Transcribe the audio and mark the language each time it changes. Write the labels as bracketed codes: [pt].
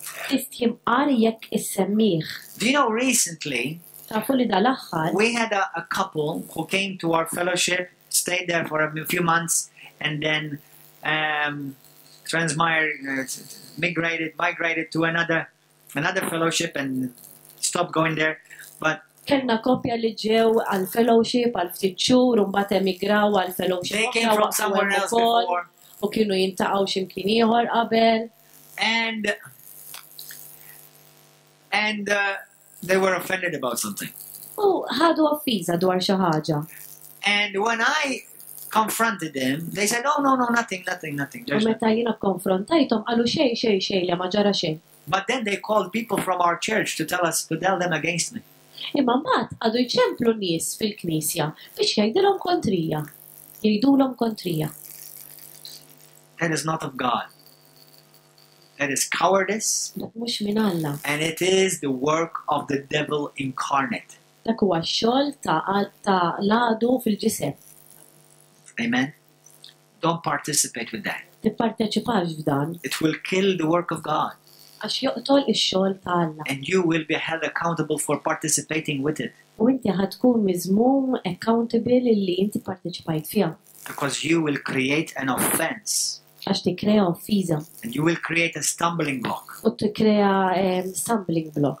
[en] Do you know, recently we had a couple who came to our fellowship, stayed there for a few months, and then migrated to another fellowship and stopped going there. But [mt] kellna koppja li ġew għal fellowship għal ftit xhur u mbagħad emigraw għal fellowship. [en] They came from somewhere else before. [mt] U kienu jintaqgħu x'imkien ieħor qabel. [en] And they were offended about something. [mt] Oh, ħadu offiża dwar xi ħaġa. [en] And when I confronted them, they said, oh, no, nothing. [mt] U meta jiena konfrontajthom, qalu xejn, xejn, xejn, li ma ġara xejn. [en] But then they called people from our church to tell us to tell them against me. [mt] Imma mbagħad għadu jċemplu nies fil-knisja biex jgħidilhom kontrija. Jgħidulhom kontrija. [en] That is not of God. That is cowardice. [mt] Mhux minn Alla. [en] And it is the work of the devil incarnate. [mt] Dak huwa x-xogħol ta' l-għadu fil-ġisem. [en] Amen. Don't participate with that. [mt] Tipparteċipax f'dan. [en] It will kill the work of God. [mt] Għax joqtol ix-xogħol ta' Alla. [en] And you will be held accountable for participating with it. [mt] U inti ħadkun miżmum accountable illi inti parteċipajt fiha. [en] Because you will create an offense. [mt] Għax tikkrea offiża. [en] And you will create a stumbling block. [mt] U tikkrea [en] stumbling block.